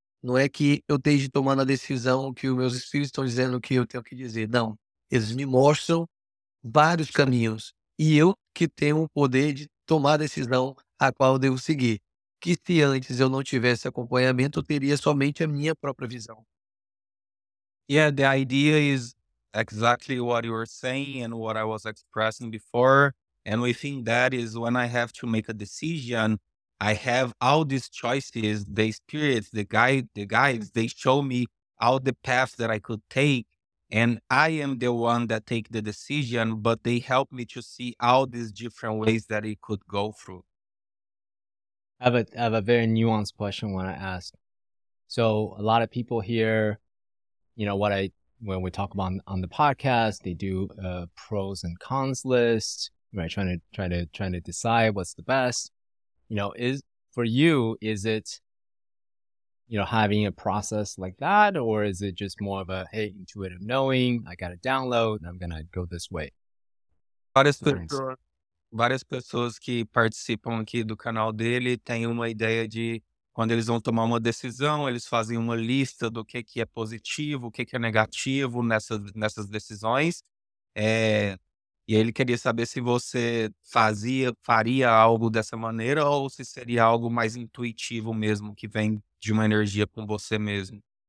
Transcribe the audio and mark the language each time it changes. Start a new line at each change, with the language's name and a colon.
Portuguese: Não é que eu esteja tomando a decisão que os meus espíritos estão dizendo que eu tenho que dizer. Não. Eles me mostram vários caminhos. E eu que tenho o poder de tomar a decisão a qual eu devo seguir. Que se antes eu não tivesse acompanhamento, eu teria somente a minha própria visão.
English: Yeah, the idea is exactly what you were saying and what I was expressing before. And we think that is when I have to make a decision, I have all these choices, the spirits, the guides, they show me all the paths that I could take. And I am the one that take the decision, but they help me to see all these different ways that it could go through. I have a very nuanced question I want to ask. So a lot of people here, you know, when we talk about on the podcast, they do a pros and cons list, right? Trying to decide what's the best. You know, is for you, is it, you know, having a process like that, or is it just more of a, hey, intuitive knowing, I got to download, I'm going to go this way?
Portuguese: Várias pessoas que participam aqui do canal dele têm uma ideia de quando eles vão tomar uma decisão, eles fazem uma lista do que é positivo, o que é negativo nessas decisões. E ele queria saber se você faria algo dessa maneira ou se seria algo mais intuitivo mesmo, que vem de uma energia com você mesmo.